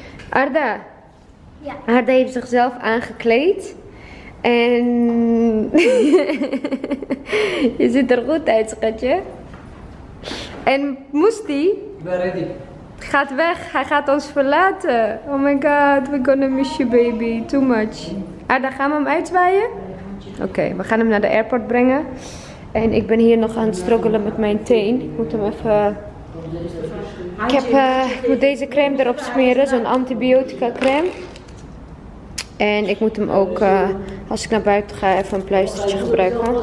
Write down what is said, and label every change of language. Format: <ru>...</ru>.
<nl>Arda. Ja. Arda heeft zichzelf aangekleed. En je ziet er goed uit, schatje. En Moestie. Ik ben ready. Gaat weg, hij gaat ons verlaten.</nl> <en>Oh my god, we're gonna miss you baby, too much.</en> <nl>Arda, gaan we hem uitzwaaien? Oké, okay, we gaan hem naar de airport brengen. En ik ben hier nog aan het struggelen met mijn teen. Ik moet hem even... Ik moet deze crème erop smeren, zo'n antibiotica crème. En ik moet hem ook, als ik naar buiten ga, even een pleistertje gebruiken.</nl>